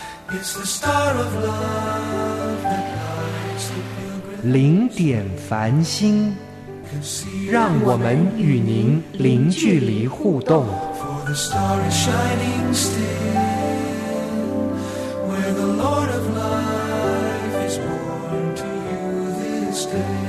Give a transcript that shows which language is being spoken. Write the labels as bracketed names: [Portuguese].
[English] It's the star of love that lights the pilgrimage. [Chinese] 零点繁星，让我们与您零距离互动。 [English] For the star is shining still, where the Lord of life is born to you this day.